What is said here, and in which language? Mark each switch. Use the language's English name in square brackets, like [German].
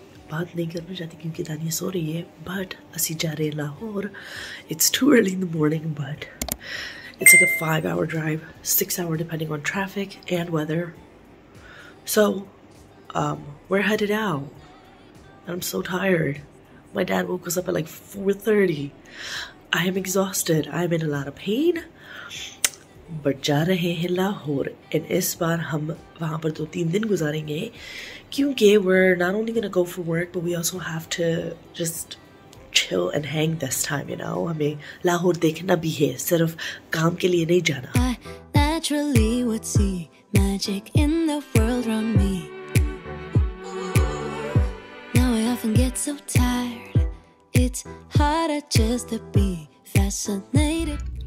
[Urdu] बात नहीं करना चाहती क्योंकि दानिया सो रही है. [English] But [Urdu] असी जा रहे हैं Lahore. [English] It's too early in the morning, but it's like a 5-hour drive, 6-hour depending on traffic and weather. So, we're headed out. And I'm so tired. My dad woke us up at like 4:30. I am exhausted. I'm in a lot of pain. But [Urdu] جا رہے ہیں Lahore, [English] and [Urdu] اس بار ہم وہاں پر دو تین دن گزاریں گے کیونکہ [English] we're not only going to go for work but we also have to just chill and hang this time, you know. [Urdu] ہمیں لاہور دیکھنا بھی ہے, صرف کام کے لیے نہیں جانا. [English] I naturally would see magic in the world around me. And get so tired, it's harder just to be fascinated.